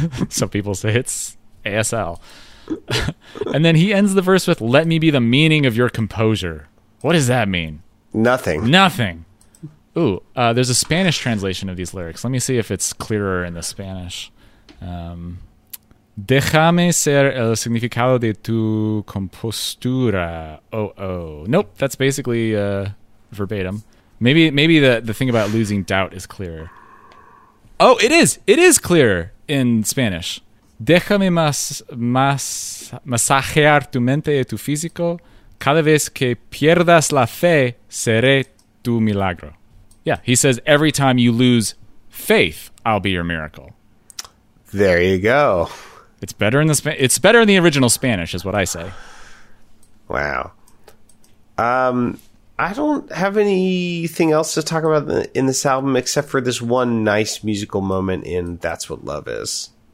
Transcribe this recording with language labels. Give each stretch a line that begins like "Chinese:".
English: Some people say it's ASL. And then he ends the verse with, let me be the meaning of your composure. What does that mean? Nothing. Ooh, there's a Spanish translation of these lyrics. Let me see if it's clearer in the Spanish.
Spanish: Déjame ser el significado de tu compostura.
English: Nope, that's basically verbatim. Maybe the thing about losing doubt is clearer. Oh, it is. It is clearer in Spanish.
Spanish: Déjame masajear tu mente y tu físico. Cada vez que pierdas la fe, seré tu milagro.
English: Yeah, he says, every time you lose faith, I'll be your miracle. There you go. It's better in the it's better in the original Spanish, is what I say. Wow. I don't have anything else to talk about in this album except for this one nice musical moment in That's What Love Is.